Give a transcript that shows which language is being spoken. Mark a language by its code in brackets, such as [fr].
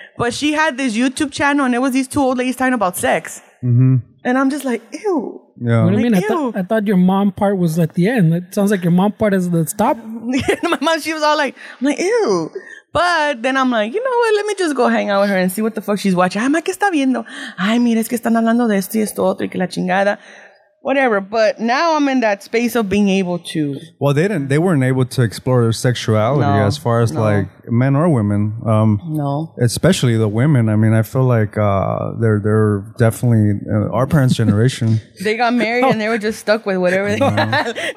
[en] But she had this YouTube channel, and it was these two old ladies talking about sex. Mm-hmm. And I'm just like, ew. Yeah. What do you mean? I thought your mom part was at the end. It sounds like your mom part is the stop. My mom, she was all like, I'm like, ew. But then I'm like, you know what? Let me just go hang out with her and see what the fuck she's watching. [es] Ay, ma, ¿qué está viendo? Ay, mira, es que están hablando de esto y esto otro y que la chingada. [en] Whatever. But now I'm in that space of being able to. Well, they weren't able to explore their sexuality like men or women. No. Especially the women. I mean, I feel like they're definitely our parents' generation. They got married and they were just stuck with whatever they had.